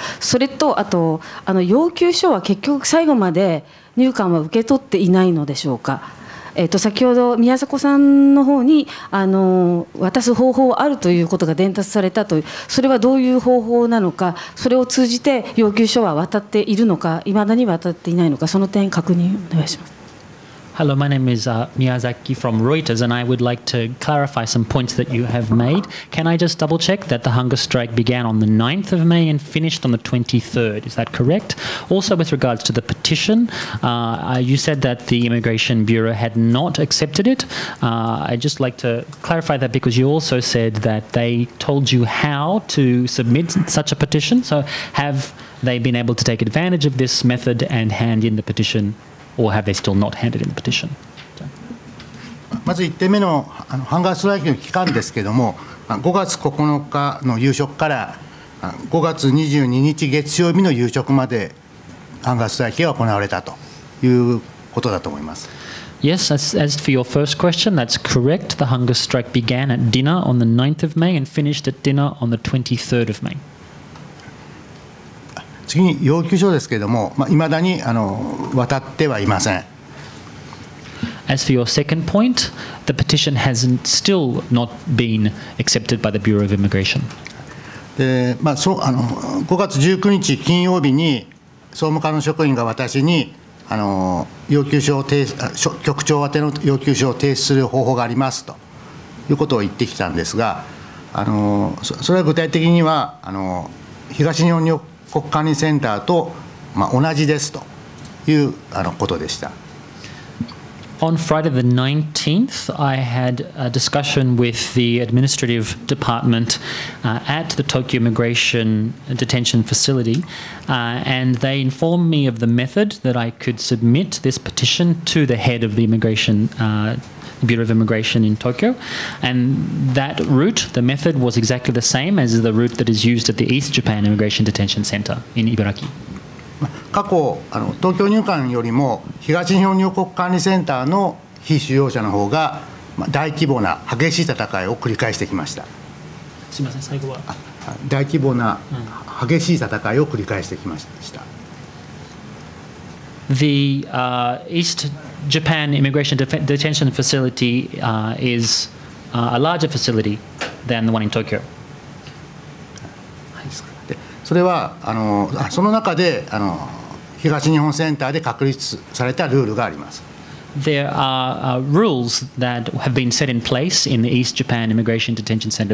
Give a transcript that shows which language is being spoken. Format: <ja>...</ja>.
<ja>それとあと要求書は結局最後まで入管は受け取っていないのでしょうか。先ほど宮迫さんの方に渡す方法あるということが伝達されたという、それはどういう方法なのか、それを通じて要求書は渡っているのか、いまだに渡っていないのか、その点確認お願いします。</ja> <en>Hello, my name is Miyazaki from Reuters, and I would like to clarify some points that you have made. Can I just double check that the hunger strike began on the 9th of May and finished on the 23rd? Is that correct? Also, with regards to the petition, you said that the Immigration Bureau had not accepted it. I'd just like to clarify that, because you also said that they told you how to submit such a petition. So have they been able to take advantage of this method and hand in the petition? Or have they still not handed in the petition?</en> <ja>まず1点目 のハンガーストライキの期間ですけれども、5月9日の夕食から5月22日月曜日の夕食までハンガーストライキが行われたということだと思います。</ja> <en>Yes, as for your first question, that's correct. The hunger strike began at dinner on the 9th of May and finished at dinner on the 23rd of May.</en> <ja>次に要求書ですけれども、いまだに渡ってはいません。</ja> <en>As for your second point, the petition has still not been accepted by the Bureau of Immigration.</en> <ja>で、まあ、5月19日金曜日に総務課の職員が私に要求書を提出、局長宛ての要求書を提出する方法がありますということを言ってきたんですが、それは具体的には東日本入国管理センターと、まあ、同じですということでした。</ja> <en>On Friday the 19th, I had a discussion with the administrative department at the Tokyo Immigration Detention Facility, and they informed me of the method that I could submit this petition to the head of the immigration, Bureau of Immigration in Tokyo. And that route, the method was exactly the same as the route that is used at the East Japan Immigration Detention Center in Ibaraki.</en> <ja>過去東京入管よりも東日本入国管理センターの非収容者の方が大規模な激しい戦いを繰り返してきました。すみません、最後は大規模な激しい戦いを繰り返してきました。</ja> <en>The East Japan Immigration Detention Facility is a larger facility than the one in Tokyo.</en> <ja>それはその中で東日本センターで確立されたルールがあります。</ja> <en>There are rules that have been set in place in the East Japan Immigration Detention Center.</en>